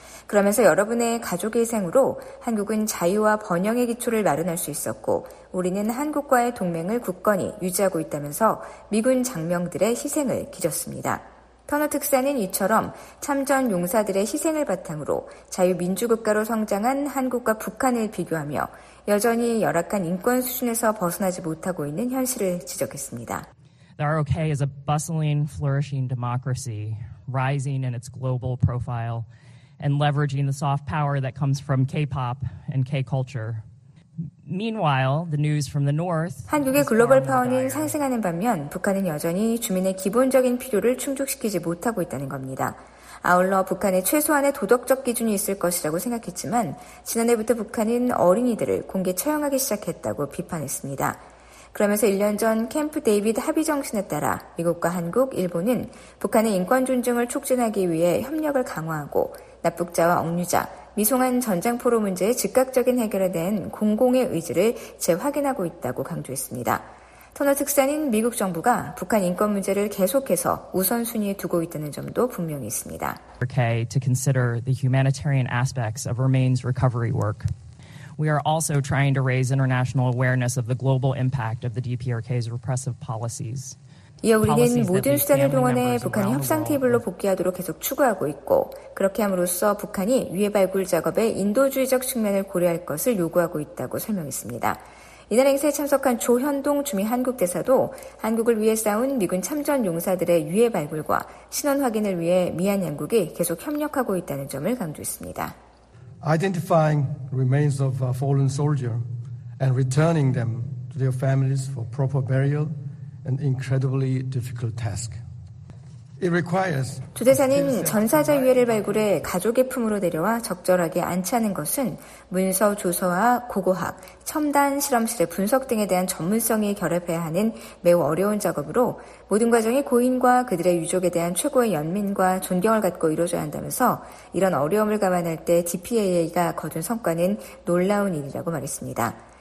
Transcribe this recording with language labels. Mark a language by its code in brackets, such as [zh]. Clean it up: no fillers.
[ko] 그러면서 여러분의 가족의 희생으로 한국은 자유와 번영의 기초를 마련할 수 있었고 우리는 한국과의 동맹을 굳건히 유지하고 있다면서 미군 장병들의 희생을 기렸습니다. 터너 특사는 이처럼 참전 용사들의 희생을 바탕으로 자유민주국가로 성장한 한국과 북한을 비교하며 여전히 열악한 인권 수준에서 벗어나지 못하고 있는 현실을 지적했습니다. [en] The ROK is a bustling, flourishing democracy, rising in its global profile and leveraging the soft power that comes from K-pop and K-culture. Meanwhile, the news from the north. [ko] 한국의 글로벌 파워는 상승하는 반면 북한은 여전히 주민의 기본적인 필요를 충족시키지 못하고 있다는 겁니다. 아울러 북한에 최소한의 도덕적 기준이 있을 것이라고 생각했지만 지난해부터 북한은 어린이들을 공개 처형하기 시작했다고 비판했습니다. 그러면서 1년 전 캠프 데이비드 합의 정신에 따라 미국과 한국, 일본은 북한의 인권 존중을 촉진하기 위해 협력을 강화하고 납북자와 억류자, 미송한 전장포로 문제의 즉각적인 해결에 대한 공공의 의지를 재확인하고 있다고 강조했습니다. 터너 특사는 미국 정부가 북한 인권 문제를 계속해서 우선순위에 두고 있다는 점도 분명히 있습니다. [en] Okay, to consider the humanitarian aspects of remains recovery work. We are also trying to raise international awareness of the global impact of the DPRK's repressive policies. [ko] 이어 우리는 모든 수단을 동원해 북한이 협상 테이블로 복귀하도록 계속 추구하고 있고 그렇게 함으로써 북한이 유해 발굴 작업에 인도주의적 측면을 고려할 것을 요구하고 있다고 설명했습니다. 이날 행사에 참석한 조현동 주미 한국대사도 한국을 위해 싸운 미군 참전 용사들의 유해 발굴과 신원 확인을 위해 미한 양국이 계속 협력하고 있다는 점을 강조했습니다. [en] Identifying remains of a fallen soldier and returning them to their families for proper burial. An incredibly difficult task. It requires. [ko] 조 대사는 전사자 유해를 발굴해 가족의 품으로 데려와 적절하게 안치하는 것은 문서 조서와 고고학, 첨단 실험실의 분석 등에 대한 전문성이 결합해야 하는 매우 어려운 작업으로 모든 과정이 고인과 그들의 유족에 대한 최고의 연민과 존경을 갖고 이루어져야 한다면서 이런 어려움을 감안할 때 DPAA가 거둔 성과는 놀라운 일이라고 말했습니다.